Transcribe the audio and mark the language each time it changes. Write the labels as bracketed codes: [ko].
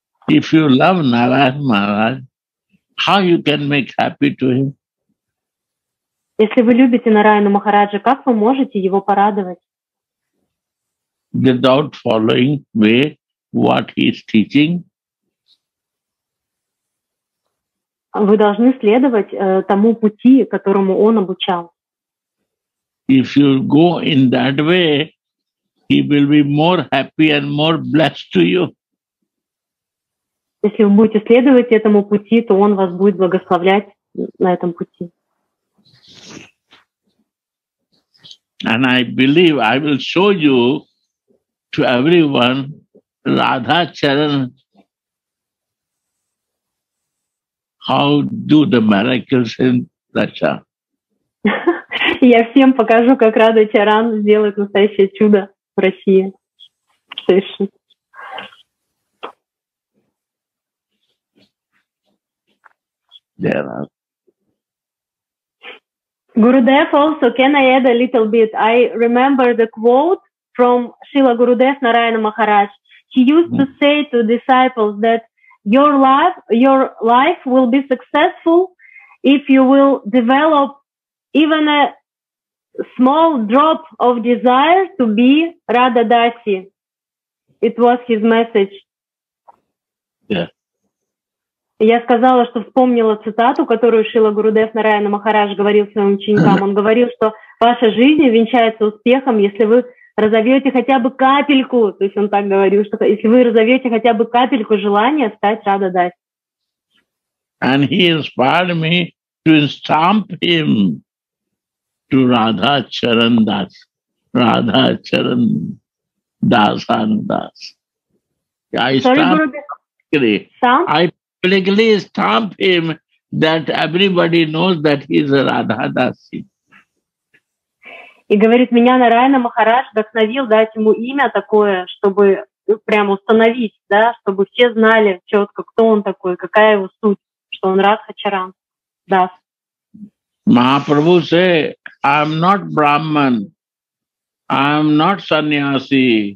[en] If you love Narayan Maharaj, how you can make happy to him? [ru] Если вы любите Нараяну Махараджа, как вы можете его порадовать? [en] Without following way what he is teaching. [ru] Вы должны следовать тому пути, которому он обучал. [en] If you go in that way, he will be more happy and more blessed to you. [ru] Если вы будете следовать этому пути, то он вас будет благословлять на этом пути. [en] And I believe I will show you to everyone Radha Charan. How do the miracles in Russia? [ru] Я всем покажу, как Рада Чаран сделает настоящее чудо в России. [en] Gurudev also, can I add a little bit? I remember the quote from Srila Gurudev Narayana Maharaj. He used to say to disciples that Your life will be successful if you will develop even a small drop of desire to be Radha Dasi. It was his message. Yeah. [ru] Я сказала, что вспомнила цитату, которую Шрила Гурудев Нараяна Махарадж говорил своим ученикам. Он говорил, что ваша жизнь увенчается успехом, если вы разовьете хотя бы капельку, то есть он так говорил, что если вы разовьете хотя бы капельку желания стать Радха Даси. [en] And he inspired me to stamp him to Radha Charan Das. Radha Charan Dasan Das. I publicly stamp him that everybody knows that he is a Radha Dasi. [ru] И говорит, меня Нараяна Махарадж вдохновил дать ему имя такое, чтобы прямо установить, да, чтобы все знали четко, кто он такой, какая его суть, что он Радха Чаран. Да. [en] Mahaprabhu say, I'm not Brahman, I'm not sannyasi.